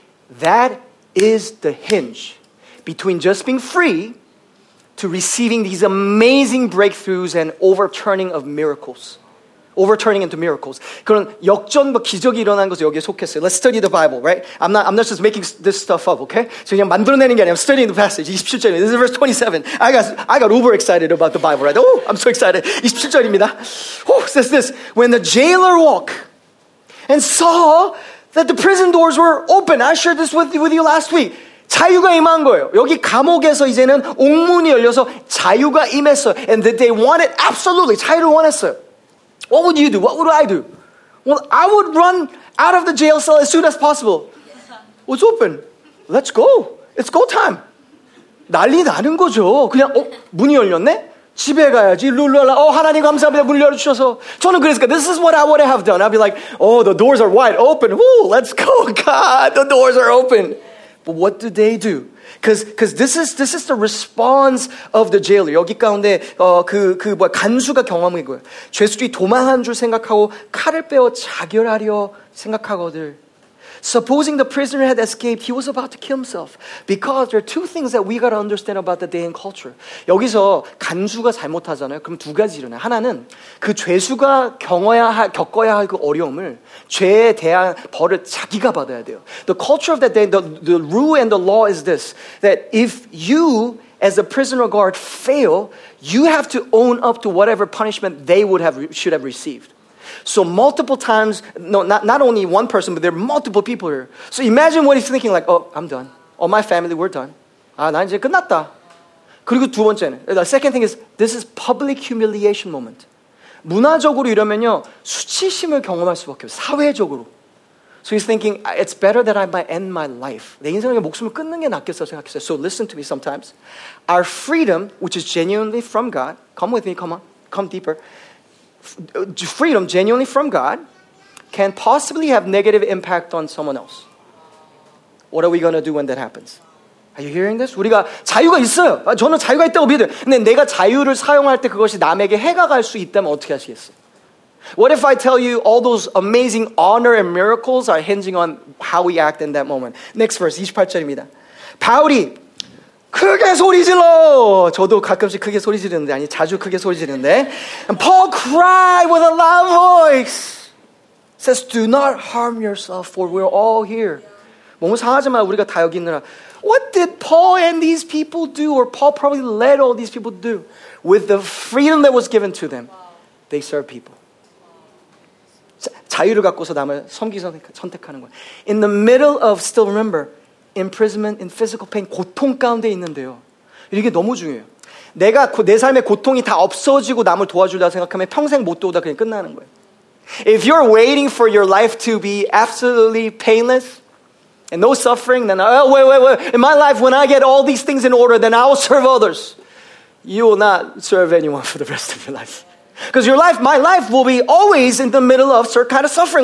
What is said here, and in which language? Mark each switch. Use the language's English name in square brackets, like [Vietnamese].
[English] That is the hinge between just being free to receiving these amazing breakthroughs and overturning of miracles. Overturning into miracles. [Korean] 그런 역전과 기적이 일어난 것이 여기에 속했어요. [English] Let's study the Bible, right? I'm not just making this stuff up, okay? So [Korean] 그냥 만들어내는 게 아니라 [English] I'm studying the passage. [Korean] 27절입니다. [English] This is verse 27. I got uber excited about the Bible, right? Oh, I'm so excited. [Korean] 27절입니다. [English] Oh, says this. When the jailer walked, and saw that the prison doors were open. I shared this with you last week. [Korean] 자유가 임한 거예요. 여기 감옥에서 이제는 옥문이 열려서 자유가 임했어요. [English] And that they wanted, absolutely, [Korean] 자유를 원했어요. [English] What would you do? What would I do? Well, I would run out of the jail cell as soon as possible. Yeah. It's open. Let's go. It's go time. [Korean] 난리 나는 거죠. 그냥, 문이 열렸네? 집에 가야지. 룰루랄라. 하나님 감사합니다. 문 열어주셔서. 저는 그랬을까? [English] This is what I would have done. I'd be like, the doors are wide open. Woo, let's go. God, the doors are open. But what do they do? Because this is the response of the jailer. [Korean] 여기 가운데 간수가 경험한 거예요. 죄수들이 도망한 줄 생각하고 칼을 빼어 자결하려 생각하거든. [English] Supposing the prisoner had escaped, he was about to kill himself. Because there are two things that we got to understand about the day and culture. [Korean] 여기서 간수가 잘못하잖아요. 그럼 두 가지 일어나요. 하나는 그 죄수가 겪어야 할 그 어려움을 죄에 대한 벌을 자기가 받아야 돼요. [English] The culture of that day, the rule and the law is this. That if you, as a prisoner guard, fail, you have to own up to whatever punishment they should have received. So multiple times, not only one person, but there are multiple people here. So imagine what he's thinking, like, I'm done. Oh, my family, we're done. [Korean] 나 이제 끝났다. 그리고 두 번째는, [English] the second thing is, this is public humiliation moment. [Korean] 문화적으로 이러면요, 수치심을 경험할 수밖에 없어요. 사회적으로. [English] So he's thinking, it's better that I might end my life. [Korean] 내 인생의 목숨을 끊는 게 낫겠어 생각했어요. [English] So listen to me sometimes. Our freedom, which is genuinely from God, come with me, come on, come deeper. Freedom, genuinely from God, can possibly have negative impact on someone else. What are we going to do when that happens? Are you hearing this? [Korean] 우리가 자유가 있어요. 저는 자유가 있다고 믿어요. 근데 내가 자유를 사용할 때 그것이 남에게 해가 갈 수 있다면 어떻게 하시겠어요? [English] What if I tell you all those amazing honor and miracles are hinging on how we act in that moment? Next verse, [Korean] 28절입니다. 바울이 크게 소리 질러. 저도 가끔씩 크게 소리 지르는데 아니 자주 크게 소리 지르는데. [English] And Paul cried with a loud voice. Says, do not harm yourself, for we're all here. [Korean] 몸 상하지 마. 우리가 다 여기 있느라. [English] What did Paul and these people do, or Paul probably led all these people to do, with the freedom that was given to them? They serve people. [Korean] 자유를 갖고서 남을 섬기 선택하는 거예요. [English] In the middle of, still remember, imprisonment in physical pain, [Korean] 고통 가운데 있는데요. 이게 너무 중요해요. 내가 내 삶의 고통이 다 없어지고 남을 도와주려고 생각하면 평생 못 도우다 그냥 끝나는 거예요. [English] If you're waiting for your life to be absolutely painless and no suffering, then, oh, wait. In my life, when I get all these things in order, then I will serve others. You will not serve anyone for the rest of your life. Because your life, my life, will be always in the middle of certain kind of suffering.